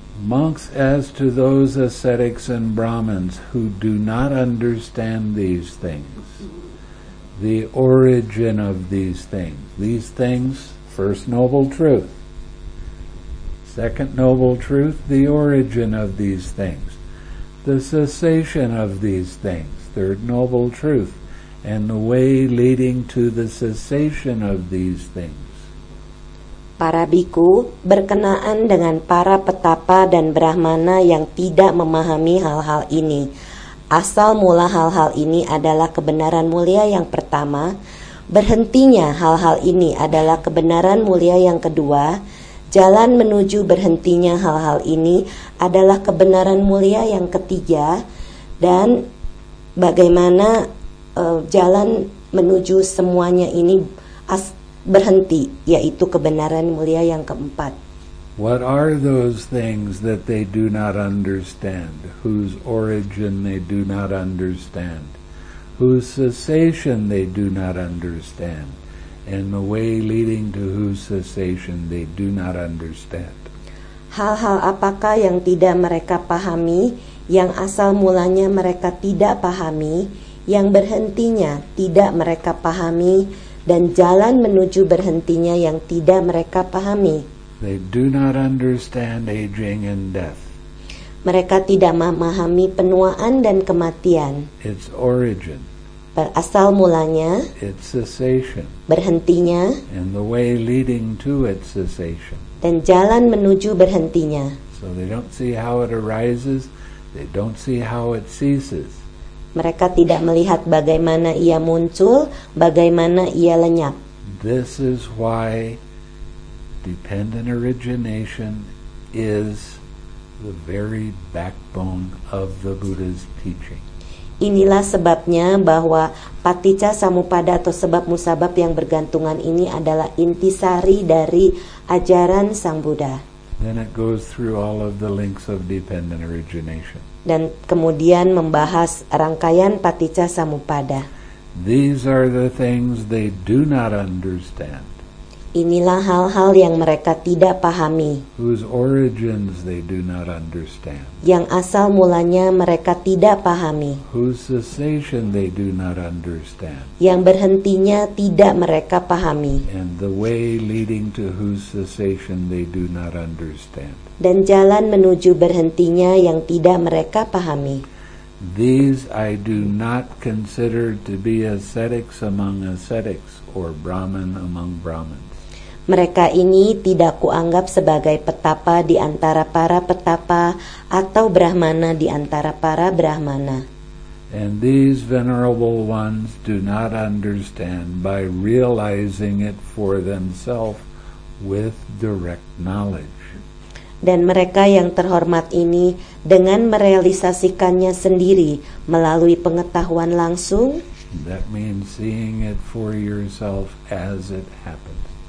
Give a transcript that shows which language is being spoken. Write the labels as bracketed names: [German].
[English] Monks, as to those ascetics and Brahmins who do not understand these things, the origin of these things, first noble truth. Second noble truth, the origin of these things, the cessation of these things, third noble truth, and the way leading to the cessation of these things. [Indonesian] para biku berkenaan dengan para petapa dan brahmana yang tidak memahami hal-hal ini. Asal mula hal-hal ini adalah kebenaran mulia yang pertama, berhentinya hal-hal ini adalah kebenaran mulia yang kedua, jalan menuju berhentinya hal-hal ini adalah kebenaran mulia yang ketiga, dan bagaimana jalan menuju semuanya ini berhenti, yaitu kebenaran mulia yang keempat. [English] What are those things that they do not understand, whose origin they do not understand, whose cessation they do not understand, and the way leading to whose cessation they do not understand? [Indonesian] Hal-hal apakah yang tidak mereka pahami, yang asal mulanya mereka tidak pahami, yang berhentinya tidak mereka pahami, dan jalan menuju berhentinya yang tidak mereka pahami? [English] They do not understand aging and death. [Indonesian] Mereka tidak memahami penuaan dan kematian. [English] Its origin. [Indonesian] Asal mulanya. [English] Its cessation. [Indonesian] Berhentinya. [English] And the way leading to its cessation. [Indonesian] Dan jalan menuju berhentinya. [English] So they don't see how it arises. They don't see how it ceases. [Indonesian] Mereka tidak melihat bagaimana ia muncul, bagaimana ia lenyap. [English] This is why dependent origination is the very backbone of the Buddha's teaching. [Indonesian] Inilah sebabnya bahwa paticca samuppada atau sebab musabab yang bergantungan ini adalah intisari dari ajaran Sang Buddha. [English] Then it goes through all of the links of dependent origination. [Indonesian] Dan kemudian membahas rangkaian paticca samuppada. [English] These are the things they do not understand. [Indonesian] Inilah hal-hal yang mereka tidak pahami. [English] Whose origins they do not understand. [Indonesian] Yang asal mulanya mereka tidak pahami. [English] Whose cessation they do not understand. [Indonesian] Yang berhentinya tidak mereka pahami. [English] And the way leading to whose cessation they do not understand. [Indonesian] Dan jalan menuju berhentinya yang tidak mereka pahami. [English] These I do not consider to be ascetics among ascetics or Brahman among Brahmins. [Indonesian] Mereka ini tidak kuanggap sebagai petapa di antara para petapa atau brahmana di antara para brahmana. [English] And these venerable ones do not understand by realizing it for themselves with direct knowledge. [Indonesian] Dan mereka yang terhormat ini dengan merealisasikannya sendiri melalui pengetahuan langsung. [English] That means seeing it for yourself as it happens.